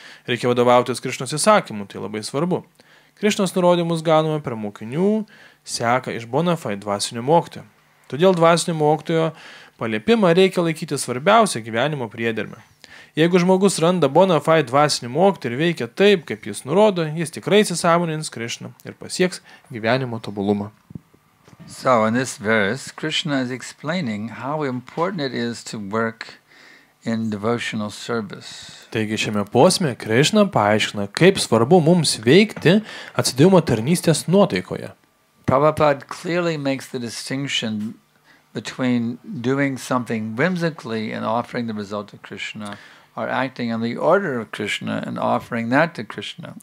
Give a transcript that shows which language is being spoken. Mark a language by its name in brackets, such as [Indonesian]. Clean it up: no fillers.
[Lithuanian] Reikia vadovautis Krišnos įsakymu, tai labai svarbu. Krišnos nurodymus gaunama per mokinių, seka iš bona fide dvasinio mokytojo. Todėl dvasinio mokytojo paliepimą reikia laikyti svarbiausią gyvenimo priedermę. Jeigu žmogus randa bona fide dvasinį mokytoją ir veikia taip, kaip jis nurodo, jis tikrai įsisąmonins Krišną ir pasieks gyvenimo tobulumą. [English] So in this verse, Krishna is explaining how important it is to work in devotional service. [Lithuanian] Taigi šiame posme Krišna paaiškina, kaip svarbu mums veikti atsidėjimo tarnystės nuotaikoje. [English] Prabhupada clearly makes the distinction between doing something whimsically and offering the result to Krishna, or acting on the order of Krishna and offering that to Krishna.